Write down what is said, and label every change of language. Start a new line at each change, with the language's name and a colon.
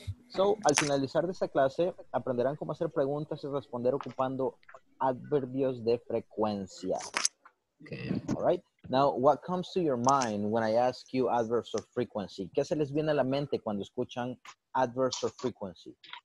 Spanish: So, al finalizar de esta clase, aprenderán cómo hacer preguntas y responder ocupando adverbios de frecuencia.
English: Okay. All right. Now, what comes to your mind when I ask you adverbs of frequency?
Spanish: ¿Qué se les viene a la mente cuando escuchan
English: adverbs of frequency?